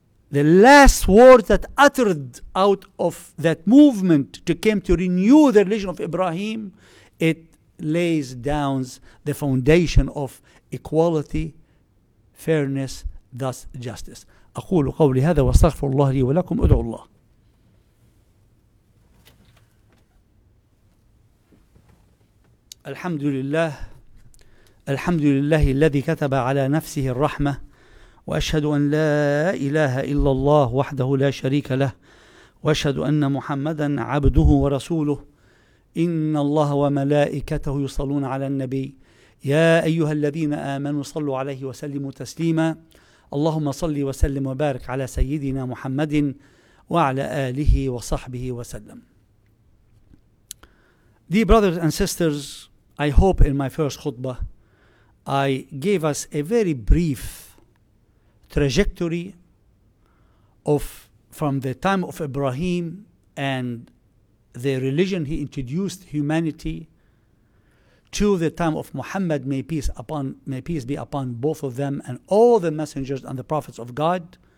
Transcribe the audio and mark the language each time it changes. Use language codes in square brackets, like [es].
[en] The last word that uttered out of that movement to came to renew the religion of Ibrahim, it lays down the foundation of equality, fairness, thus justice. [ar] أقول قولي هذا واستغفر الله لي ولكم أدعو الله. الحمد لله. الحمد لله الذي كتب على نفسه الرحمة وأشهد أن لا إله إلا الله وحده لا شريك له وأشهد أن محمدا عبده ورسوله إن الله وملائكته يصلون على النبي يا أيها الذين آمنوا صلوا عليه وسلموا تسليما اللهم صل وسلم وبارك على سيدنا محمد وعلى آله وصحبه وسلم. [en] Dear brothers and sisters, I hope in my first khutbah I gave us a very brief trajectory of from the time of Ibrahim and the religion he introduced humanity to the time of Muhammad, may peace be upon both of them and all the messengers and the prophets of God,